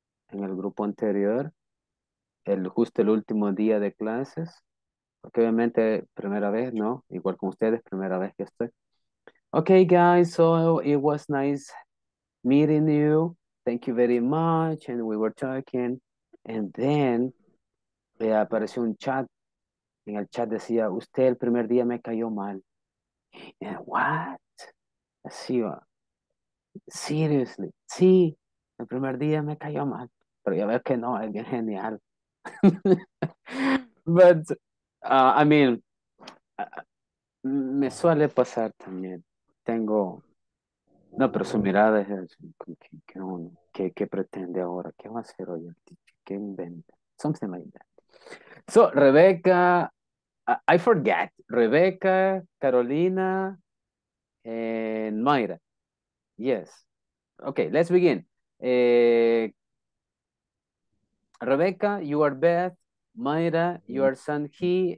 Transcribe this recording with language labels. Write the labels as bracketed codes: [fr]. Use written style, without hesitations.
[es] En el grupo anterior, justo el último día de clases, porque obviamente primera vez, ¿no? Igual con ustedes, primera vez que estoy. [en] Okay, guys, so it was nice meeting you. Thank you very much. And we were talking. And then [es] apareció un chat. En el chat decía, usted el primer día me cayó mal. [en] And what? [es] Así va. Seriously, sí, el primer día me cayó mal, pero ya veo que no, es bien genial. [en] But, I mean, [es] me suele pasar también. Tengo, no, pero su mirada es así, ¿qué pretende ahora? ¿Qué va a hacer hoy el teacher? ¿Qué inventa? [en] Something like that. So, Rebeca, I forget, Rebeca, Carolina, and Mayra. Yes. Okay, let's begin. Rebecca, you are Beth. Mayra, you are Sanji.